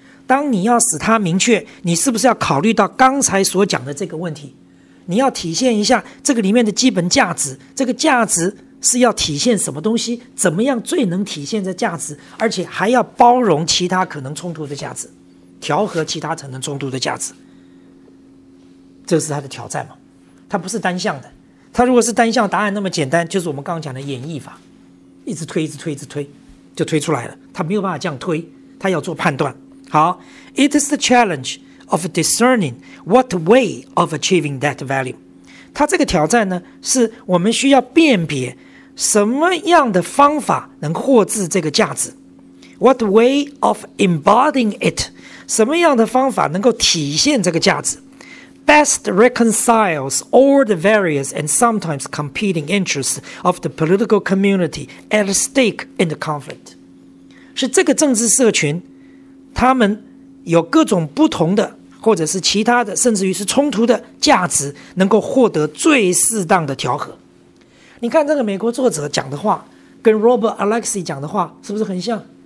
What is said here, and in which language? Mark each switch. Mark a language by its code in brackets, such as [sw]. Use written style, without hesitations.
[zh] 当你要使它明确，你是不是要考虑到刚才所讲的这个问题，你要体现一下这个里面的基本价值，这个价值是要体现什么东西，怎么样最能体现这价值，而且还要包容其他可能冲突的价值，调和其他可能冲突的价值，这是它的挑战嘛？它不是单向的，它如果是单向答案那么简单，就是我们刚刚讲的演绎法，一直推一直推一直推就推出来了，它没有办法这样推，它要做判断。 [en] 好， It is the challenge of discerning what way of achieving that value. [zh] 它这个挑战呢，是我们需要辨别什么样的方法能获致这个价值。 [en] What way of embodying it? [zh] 什么样的方法能够体现这个价值？ [en] best reconciles all the various and sometimes competing interests of the political community at stake in the conflict. [zh] 是这个政治社群，他们有各种不同的，或者是其他的，甚至于是冲突的价值，能够获得最适当的调和。你看这个美国作者讲的话，跟 Robert Alexy 讲的话是不是很像？